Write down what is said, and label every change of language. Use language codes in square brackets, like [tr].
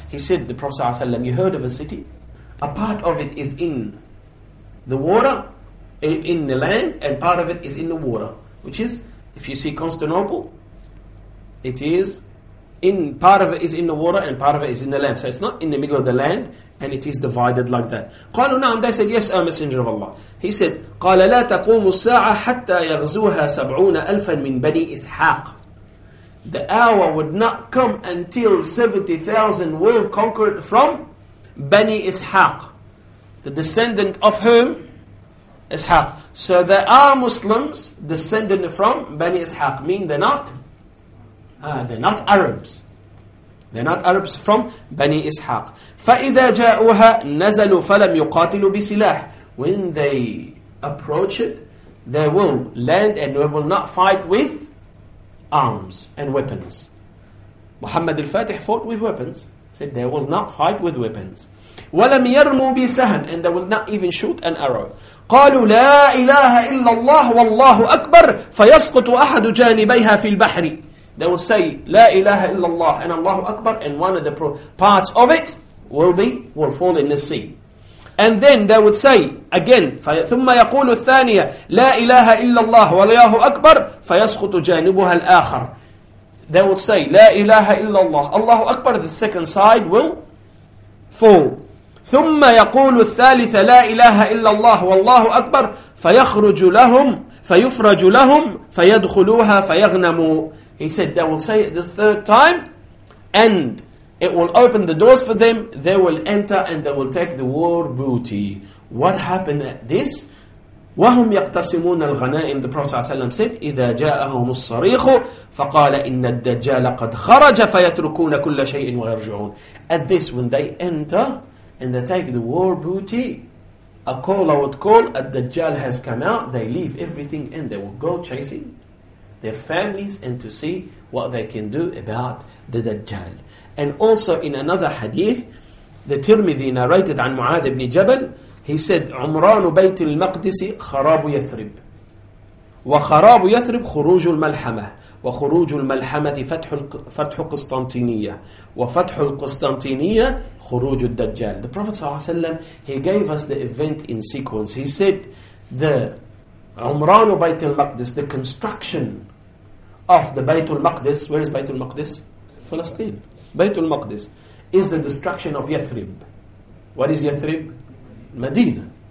[en] He said, the Prophet sallallahu alayhi wa sallam, you heard of a city? A part of it is in the water, in the land, and part of it is in the water. Which is, if you see Constantinople, it is in, part of it is in the water and part of it is in the land. So it's not in the middle of the land and it is divided like that. [ar] قَالُوا نَعْمْ. [en] They said, yes, O Messenger of Allah. He said, [ar] قَالَ لَا تَقُومُ السَّاعَةَ حَتَّى يَغْزُوهَا سَبْعُونَ أَلْفًا مِّن بَنِي إِسْحَاقٍ. [en] The hour would not come until 70,000 will conquer it from Bani Ishaq, the descendant of whom? Ishaq. So there are Muslims descended from Bani Ishaq, mean they're not Arabs. They're not Arabs from Bani Ishaq. [ar] فَإِذَا جَاءُوهَا نَزَلُوا فَلَمْ يُقَاتِلُوا بِسِلَاحٍ. [en] When they approach it, they will land and they will not fight with arms and weapons. Muhammad al-Fatih fought with weapons. Said they will not fight with weapons. [ar] وَلَمْ يَرْمُوا بِسَهْمٍ. [en] And they will not even shoot an arrow. [ar] قَالُوا لَا إِلَهَ إِلَّا اللَّهُ وَاللَّهُ أَكْبَرُ فَيَسْقُطُ أَحَدُ جَانِبَيْهَا فِي الْبَحْرِ. [en] They will say, La ilaha illallah, and Allahu Akbar, and one of the parts of it will fall in the sea. And then they would say, again, [ar] ثُمَّ يَقُولُ الثَّانِيَةَ لَا إِلَهَ إِلَّا اللَّهُ وَلَيَهُ أَكْبَرُ فَيَسْخُطُ جَانِبُهَا الْآخَرُ. [en] they would say, La ilaha illallah, Allahu Akbar, the second side will fall. [ar] ثُمَّ يَقُولُ الثَّالِثَ لَا إِلَهَ إِلَّا اللَّهُ وَاللَّهُ أَكْبَرُ فَيَخْرُجُ لَهُمْ فَيُفْرَجُ لَهُمْ فَيَدْخُلُوهَا فَيَغْنَمُوا. [en] He said, they will say it the third time, and it will open the doors for them, they will enter and they will take the war booty. What happened at this? [ar] وَهُمْ يَقْتَسِمُونَ الْغَنَائِمِ [en] The Prophet ﷺ said, [ar] إِذَا جَاءَهُمُ الصَّرِيخُ فَقَالَ إِنَّ الدَّجَّالَ قَدْ خَرَجَ فَيَتْرُكُونَ كُلَّ شَيْءٍ وَيَرْجُعُونَ [en] At this, when they enter and they take the war booty, a call out call, a Dajjal has come out, they leave everything and they will go chasing their families and to see what they can do about the Dajjal. And also in another hadith, the Tirmidhi narrated an Mu'adh ibn Jabal, he said, [ar] عمران بيت المقدس خراب يثرب وخراب يثرب خروج الملحمة وخروج الملحمة فتح القسطنطينية وفتح القسطنطينية خروج الدجال. [en] The Prophet ﷺ, he gave us the event in sequence. He said, the [ar] عمران بيت المقدس, [en] the construction of the بيت المقدس, where is بيت المقدس? Palestine. بيت المقدس is the destruction of Yathrib. What is Yathrib? Medina.